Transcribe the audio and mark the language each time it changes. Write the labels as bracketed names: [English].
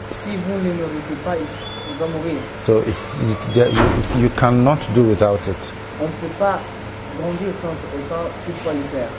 [French] Si vous ne nourrissez pas, il va mourir. [English] So you cannot do without it. [French] On peut pas grandir sans toutefois le faire.